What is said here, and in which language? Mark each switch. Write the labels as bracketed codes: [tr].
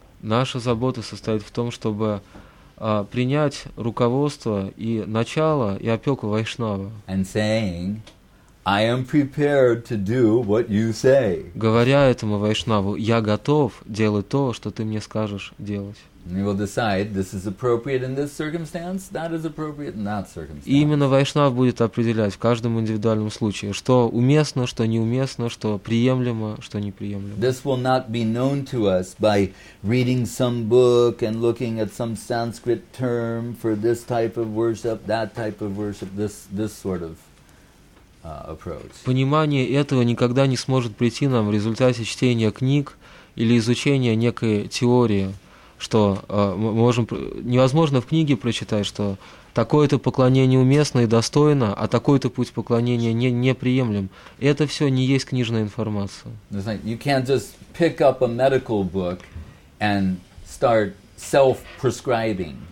[ru] Наша забота состоит в том, чтобы принять руководство и начало и опеку Вайшнава. [en] And saying, I am prepared to do what you say. [ru] Говоря этому Вайшнаву, я готов делать то, что ты мне скажешь делать. [en] And he will decide this is appropriate in this circumstance, that is appropriate in that circumstance. [ru] И именно Вайшнав будет определять в каждом индивидуальном случае, что уместно, что неуместно, что приемлемо, что неприемлемо. [en] This will not be known to us by reading some book and looking at some Sanskrit term for this type of worship, that type of worship, this sort of approach. [ru] Понимание этого никогда не сможет прийти нам в результате чтения книг или изучения некой теории, что невозможно в книге прочитать, что такое-то поклонение уместно и достойно, а такой-то путь поклонения не, неприемлем. Это все не есть книжная информация. [en] Like you can't just pick up a medical book and start self-prescribing